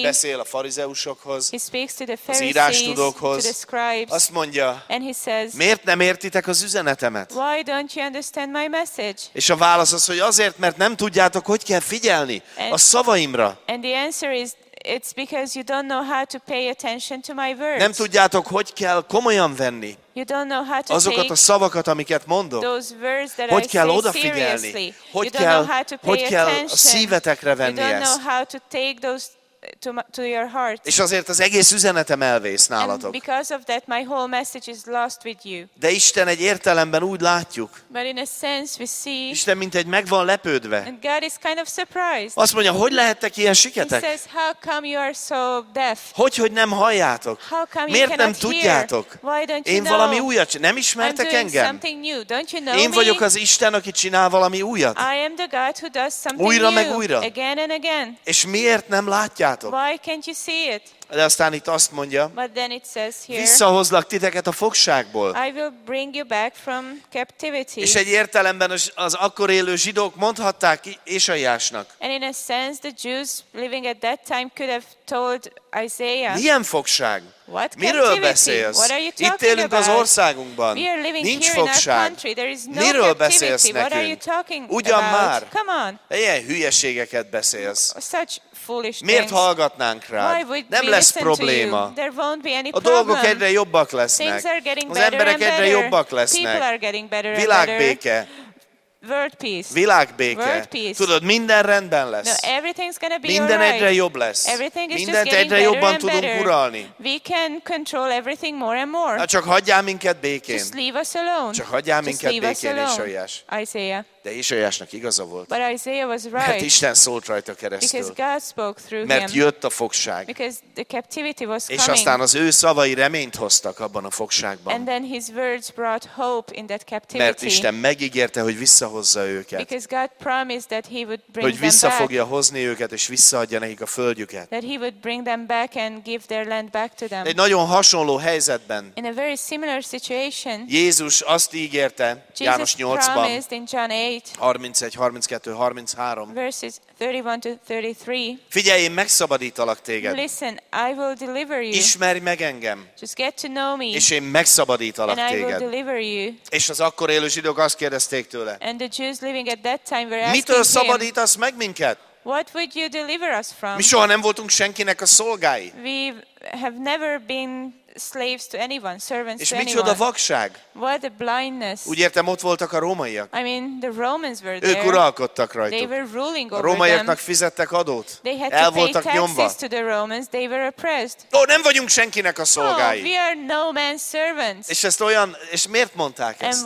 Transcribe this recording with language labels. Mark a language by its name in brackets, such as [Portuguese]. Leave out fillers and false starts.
[Hungarian] beszél a farizeusokhoz, [English] he speaks to the Pharisees, [Hungarian] az írástudókhoz, [English] to the scribes, [Hungarian] azt mondja, [English] and he says, [Hungarian] miért nem értitek az üzenetemet? [English] Why don't you understand my message? [Hungarian] És a válasz az, hogy azért, mert nem tudjátok, hogy kell figyelni a szavaimra. [English] And the answer is, it's because you don't know how to pay attention to my words. [Hungarian] Nem tudjátok, hogy kell komolyan venni. [English] You don't know how to [Hungarian] azokat [English] take [Hungarian] a szavakat, amiket mondok. [English] Those words that [Hungarian] hogy [English] I [Hungarian] kell [English] say [Hungarian] odafigyelni. [English] Seriously. [Hungarian] Hogy [English] you [Hungarian] kell, [English] don't know how to pay [Hungarian] hogy [English] attention. [Hungarian] Kell a szívetekre venni [English] you don't [Hungarian] ezt. [English] Know how to take those to your heart. [Hungarian] És azért az egész üzenetem elvész nálatok. [English] And because of that, my whole message is lost with you. [Hungarian] De Isten egy értelemben úgy látjuk. [English] But in a sense we see. [Hungarian] Isten mint egy meg van lepődve. [English] And God is kind of surprised. [Hungarian] Azt mondja, hogy lehettek ilyen siketek? [English] He says, how come you are so deaf? [Hungarian] Hogy nem halljátok? [English] How come [Hungarian] miért [English] you cannot [Hungarian] nem tudjátok? [English] Hear? Why don't you [Hungarian] én [English] know? [Hungarian] Valami újat, nem ismertek [English] I'm doing [Hungarian] engem? [English] Something new. Don't you know [Hungarian] én vagyok [English] me? [Hungarian] Az Isten, aki csinál valami újat. [English] I am the God who does something [Hungarian] újra [English] new. [Hungarian] Meg újra. [English] Again and again. [Hungarian] És miért nem látjátok? [English] Why can't you see it? [Hungarian] De aztán itt azt mondja, [English] but then it says here, [Hungarian] visszahozlak titeket a fogságból. [English] I will bring you back from captivity. [Hungarian] És egy értelemben az akkor élő zsidók mondhatták Ésaiásnak. [English] And in a sense the Jews living at that time could have told Isaiah. [Hungarian] Milyen fogság? [English] What [Hungarian] miről [English] captivity? [Hungarian] Beszélsz? [English] What are you talking [Hungarian] itt élünk [English] about? [Hungarian] Az országunkban. [English] We are living [Hungarian] nincs [English] here [Hungarian] fogság. [English] In our country. There is no [Hungarian] miről [English] captivity. [Hungarian] Beszélsz [English] what [Hungarian] nekünk? [English] Are you talking [Hungarian] ugyan [English] about? Come on. [Hungarian] Ilyen hülyeségeket beszélsz. [English] Such foolish [Hungarian] miért [English] things. [Hungarian] Hallgatnánk rád? Nem lesz probléma. [English] There won't be any [Hungarian] a dolgok egyre jobbak lesznek. [English] Things are getting [Hungarian] az emberek [English] better [Hungarian] egyre [English] better. [Hungarian] Jobbak lesznek. [English] People are getting better and [Hungarian] világbéke. [English] World peace. [Hungarian] Világbéke. [English] World peace. [Hungarian] Tudod, minden rendben lesz. [English] No, everything's gonna be [Hungarian] minden [English] alright. [Hungarian] Egyre jobb lesz. [English] Everything is [Hungarian] mindent [English] just [Hungarian] egyre jobban tudunk uralni. [English] We can control everything more and more. [Hungarian] Na, csak hagyjál minket békén. [English] Just leave us alone. [Hungarian] Csak hagyjál [English] just [Hungarian] minket [English] leave [Hungarian] békén, [English] Isaiah. [Hungarian] De Izsaiásnak igaza volt. [English] But Isaiah was right. [Hungarian] Mert Isten szólt rajta keresztül. [English] Because God spoke through him. [Hungarian] Mert jött a fogság. [English] Because the captivity was coming. [Hungarian] És aztán az ő szavai reményt hoztak abban a fogságban. [English] And then his words brought hope in that captivity. [Hungarian] Mert Isten megígérte, hogy visszahozza őket. [English] Because God promised that he would bring them back. [Hungarian] Hogy vissza fogja hozni őket és visszaadja nekik a földjüket. [English] That he would bring them back and give their land back to them. [Hungarian] Egy nagyon hasonló helyzetben. [English] In a very similar situation. [Hungarian] Jézus azt ígérte János 8-ban. [English] Jesus promised in John 8. [Hungarian] 31, 32, 33. [English] Verses 31 to 33. [Hungarian] Figyelj, én megszabadítalak téged. [English] Listen, I will deliver you. [Hungarian] Ismerj meg engem. [English] Just get to know me. [Hungarian] És én megszabadítalak [English] and [Hungarian] téged. [English] I will deliver you. [Hungarian] És az akkor élő zsidók azt kérdezték tőle. [English] And the Jews living at that time were asking him. [Hungarian] Mitől szabadítasz meg minket? [English] What would you deliver us from? [Hungarian] Mi soha nem voltunk senkinek a szolgái. [English] We have never been slaves to anyone, servants [Hungarian] és [English] to anyone. [Hungarian] És micsoda vakság? [English] What a blindness. [Hungarian] Úgy értem, ott voltak a rómaiak. [English] I mean, the Romans were there. [Hungarian] Ők uralkodtak rajtuk. [English] They were ruling over them. [Hungarian] Rómaiaknak fizettek adót. [English] They had [Hungarian] el [English] to pay taxes [Hungarian] nyomva. [English] To the Romans. They were oppressed. [Hungarian] Ó, nem vagyunk senkinek a szolgái. [English] No, we are no man's servants. [Hungarian] És ezt olyan, és miért mondták ezt?